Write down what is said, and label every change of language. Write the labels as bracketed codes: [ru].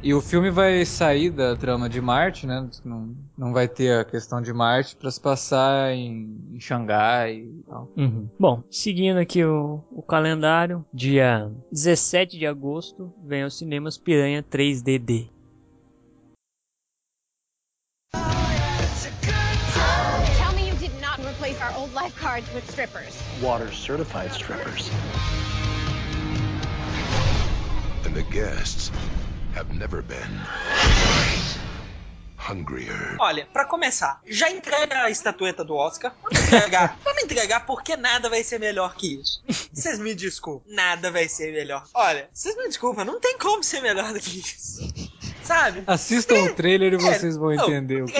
[pt] E o filme vai sair da trama de Marte, né? Não vai ter a questão de Marte pra se passar em Xangai e tal. Bom, seguindo aqui o calendário, dia 17 de agosto, vem aos cinemas Piranha 3DD. [en] Tell me you did not replace our old lifeguards with strippers. Water certified strippers. And the guests have never been hungrier. [pt] Olha, pra começar, já entrega a estatueta do Oscar. Vamos entregar, porque nada vai ser melhor que isso. Vocês me desculpem. Nada vai ser melhor. Olha, vocês me desculpem, não tem como ser melhor do que isso. Sabe? Assistam o trailer e vocês vão entender o que